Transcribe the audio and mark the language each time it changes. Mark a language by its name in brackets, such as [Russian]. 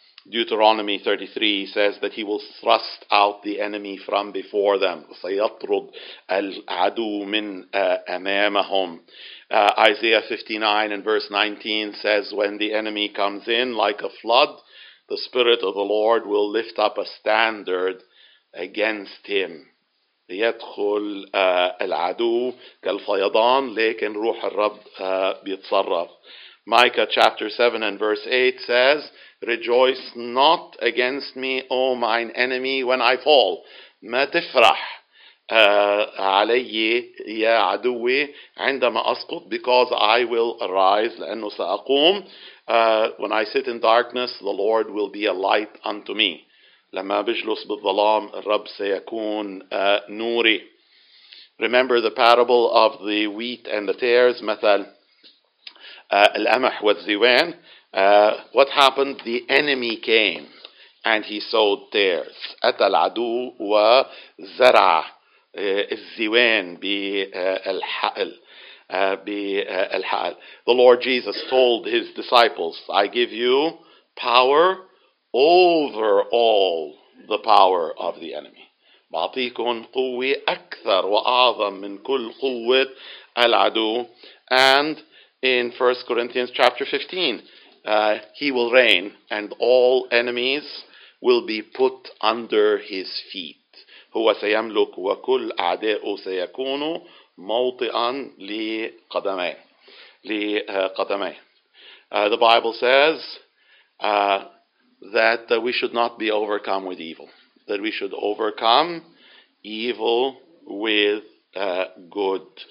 [English] Deuteronomy 33 says that he will thrust out the enemy from before them. [Arabic] سَيَطْرُدْ الْعَدُوْ مِنْ أَمَامَهُمْ. [English] Isaiah 59 and verse 19 says, when the enemy comes in like a flood, the Spirit of the Lord will lift up a standard against him. [Arabic] يدخل العدو كالفيضان لكن روح الرب بيتصرف. [English] Micah chapter 7 and verse 8 says, rejoice not against me, O mine enemy, when I fall. [Arabic] ما تفرح علي يا عدوي عندما أسقط, [English] because I will arise, [Arabic] لأنه سأقوم. [English] When I sit in darkness, the Lord will be a light unto me. [Arabic] لما بجلس بالظلام الرب سيكون نوري. [English] Remember the parable of the wheat and the tares, [Arabic] مثل الأمح والزوان. [English] What happened? The enemy came and he sowed tares. [Arabic] أتى العدو وزرع الزوان بالحقل. [English] The Lord Jesus told his disciples, I give you power over all the power of the enemy. [Arabic] بعطيكم قوة أكثر وأعظم من كل قوة العدو. [English] And in 1 Corinthians chapter 15, he will reign and all enemies will be put under his feet. [Arabic] هو سيملك وكل أعداءه سيكونوا موطئا لقدمي. [English] The Bible says that we should not be overcome with evil, that we should overcome evil with good.